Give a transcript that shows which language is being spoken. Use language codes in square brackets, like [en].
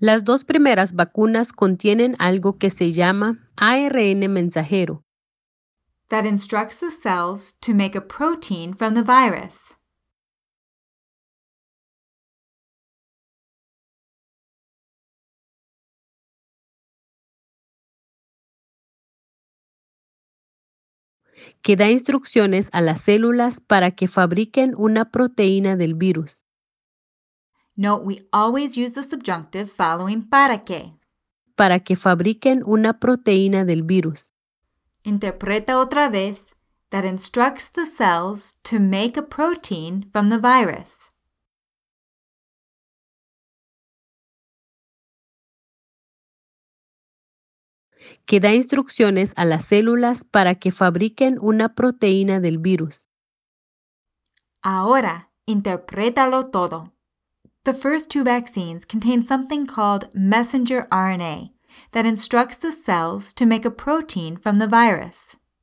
[es] Las dos primeras vacunas contienen algo que se llama ARN mensajero. [en] That instructs the cells to make a protein from the virus. [es] Que da instrucciones a las células para que fabriquen una proteína del virus. [en] Note we always use the subjunctive following [es] para que. Para que fabriquen una proteína del virus. Interpreta otra vez [en] that instructs the cells to make a protein from the virus. [es] Que da instrucciones a las células para que fabriquen una proteína del virus. Ahora, interprétalo todo. [en] The first two vaccines contain something called messenger RNA that instructs the cells to make a protein from the virus.